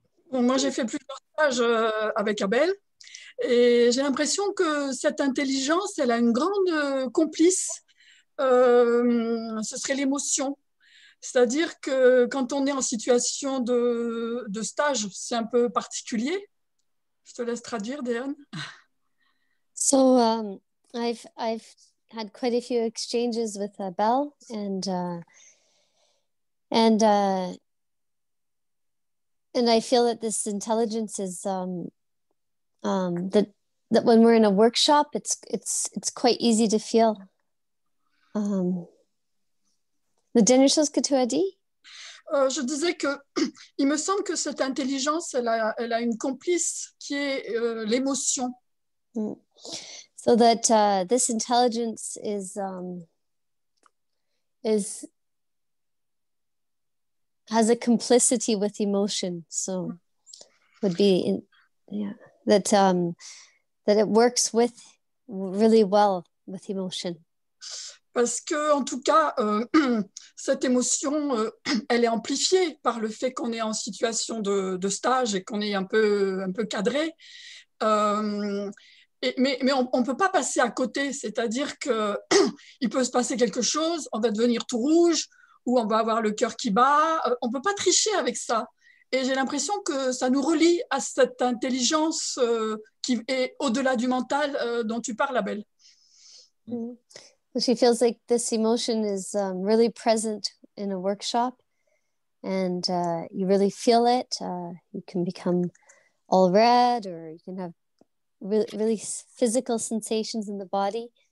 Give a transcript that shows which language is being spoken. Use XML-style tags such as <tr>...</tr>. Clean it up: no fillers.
<fr>Moi, j'ai fait plusieurs stages avec Abel et j'ai l'impression que cette intelligence, elle a une grande complice. Ce serait l'émotion. C'est-à-dire que quand on est en situation de stage, c'est un peu particulier. Je te laisse traduire, Diane.</fr> <en>So, I've had quite a few exchanges with Abel, and I feel that this intelligence is that when we're in a workshop, it's quite easy to feel.</en> <fr>La dernière chose que tu as dit? Je disais que il me semble que cette intelligence, elle a une complice qui est l'émotion.</fr> <en>So that this intelligence has a complicity with emotion. So would be that it works with really well with emotion.</en> <fr>Parce que en tout cas, cette émotion, elle est amplifiée par le fait qu'on est en situation de stage et qu'on est un peu cadré. Mais on ne peut pas passer à côté, c'est-à-dire qu'il peut se passer quelque chose, on va devenir tout rouge, ou on va avoir le cœur qui bat, on ne peut pas tricher avec ça. Et j'ai l'impression que ça nous relie à cette intelligence qui est au-delà du mental dont tu parles, Abel. Mm-hmm.</fr> <en>She feels like this emotion is really present in a workshop, and you really feel it. You can become all red, or you can have really physical sensations in the body.</en>